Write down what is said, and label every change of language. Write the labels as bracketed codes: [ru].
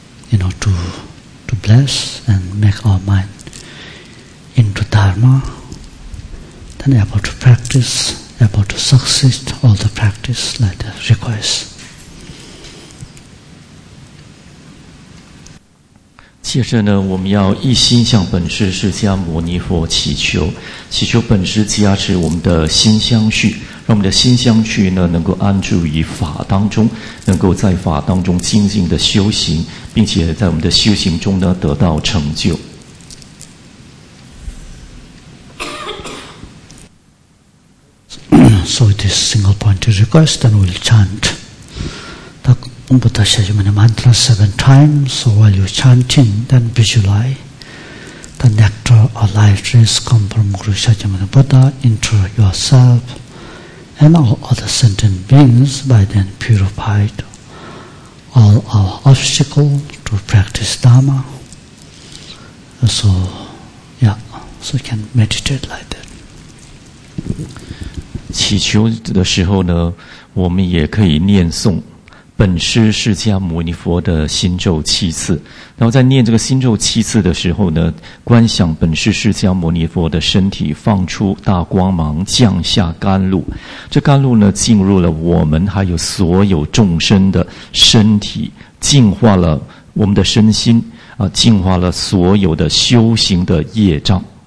[en] You know, to bless and make our mind into Dharma. Then able to practice, able to succeed all the practice like that request. [zh] 接着呢，我们要一心向本师释迦牟尼佛祈求，祈求本师加持我们的心相续，让我们的心相续呢能够安住于法当中，能够在法当中精进的修行，并且在我们的修行中呢得到成就。 [en] So this single point request, and we'll chant. Buddha Shakyamuni mantra 7 times. So while you're chanting, then visualize the nectar or life rays come from Guru Shakyamuni Buddha into yourself and all other sentient beings, by then purified all our obstacles to practice Dharma. So yeah, so you can meditate like that. [zh] 祈求的时候呢，我们也可以念诵本师释迦牟尼佛的心咒七次，然后在念这个心咒七次的时候呢，观想本师释迦牟尼佛的身体放出大光芒，降下甘露，这甘露呢进入了我们还有所有众生的身体，净化了我们的身心啊，净化了所有的修行的业障。